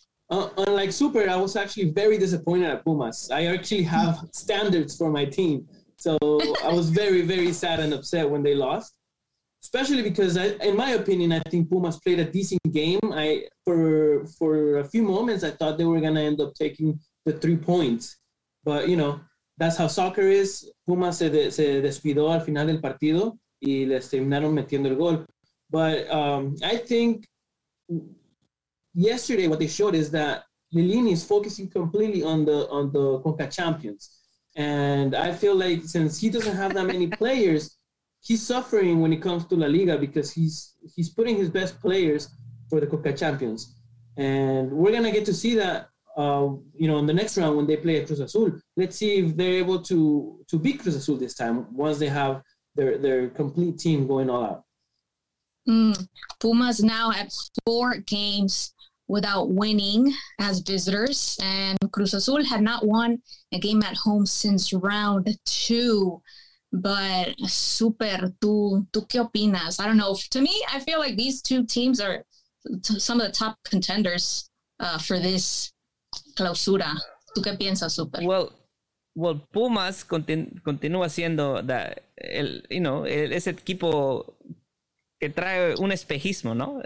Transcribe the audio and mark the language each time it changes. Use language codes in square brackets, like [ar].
[en] Unlike Super, I was actually very disappointed at Pumas. I actually have standards for my team. So I was very, very sad and upset when they lost, especially because, in my opinion, I think Pumas played a decent game. For a few moments, I thought they were going to end up taking the 3 points. But, you know, that's how soccer is. [es] Pumas se despidó al final del partido y les terminaron metiendo el gol. [en] But I think yesterday what they showed is that Lilini is focusing completely on the CONCACAF champions. And I feel like since he doesn't have that many players, he's suffering when it comes to La Liga because he's putting his best players for the CONCACAF champions. And we're going to get to see that you know, in the next round when they play at Cruz Azul. Let's see if they're able to beat Cruz Azul this time once they have their complete team going all out. Pumas now at 4 games without winning as visitors, and Cruz Azul had not won a game at home since round 2. But super, [es] tú qué opinas? [en] I don't know. To me, I feel like these two teams are some of the top contenders for this clausura. [es] ¿Tú qué piensas, super? Well, Pumas continúa siendo ese equipo que trae un espejismo, ¿no?